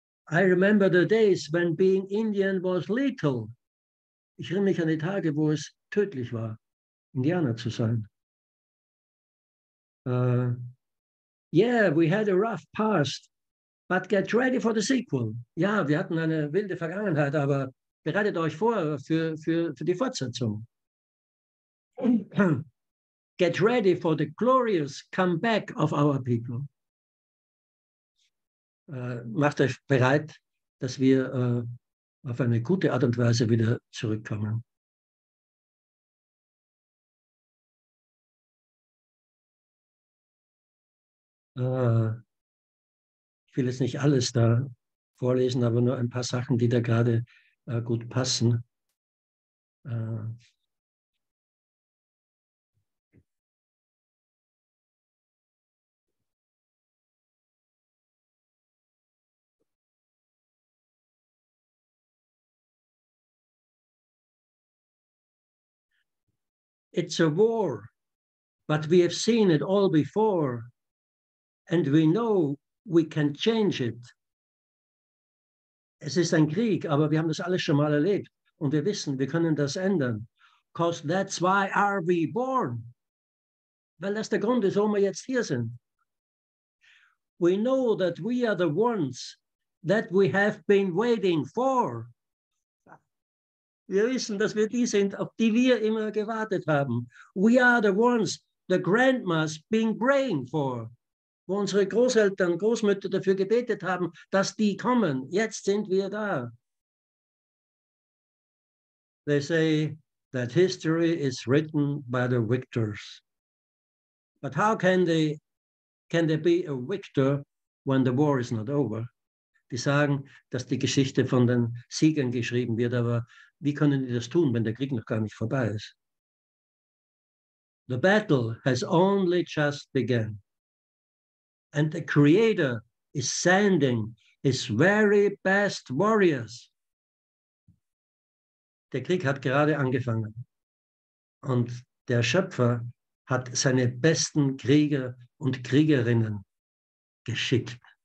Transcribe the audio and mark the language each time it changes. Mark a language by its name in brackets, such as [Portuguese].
[English] I remember the days when being Indian was lethal. [German] Ich erinnere mich an die Tage, wo es tödlich war, Indianer zu sein. [English] Yeah, we had a rough past, but get ready for the sequel. [German] Ja, wir hatten eine wilde Vergangenheit, aber bereitet euch vor für die Fortsetzung. [English] Get ready for the glorious comeback of our people. [German] Macht euch bereit, dass wir auf eine gute Art und Weise wieder zurückkommen. Ich will jetzt nicht alles da vorlesen, aber nur ein paar Sachen, die da gerade gut passen. [English] It's a war, but we have seen it all before, and we know we can change it. [German] Es ist ein Krieg, aber wir haben das alles schon mal erlebt und wir wissen, wir können das ändern. [English] Because that's why are we born. [German] Weil das der Grund ist, warum wir jetzt hier sind. [English] We know that we are the ones that we have been waiting for. [German] Wir wissen, dass wir die sind, auf die wir immer gewartet haben. [English] We are the ones the grandmas been praying for. [German] Wo unsere Großeltern, Großmütter dafür gebetet haben, dass die kommen. Jetzt sind wir da. [English] They say that history is written by the victors. But how can they be a victor when the war is not over? [German] Die sagen, dass die Geschichte von den Siegern geschrieben wird, aber wie können die das tun, wenn der Krieg noch gar nicht vorbei ist? [English] The battle has only just begun. And the Creator is sending his very best warriors. [German] Der Krieg hat gerade angefangen. Und der Schöpfer hat seine besten Krieger und Kriegerinnen geschickt.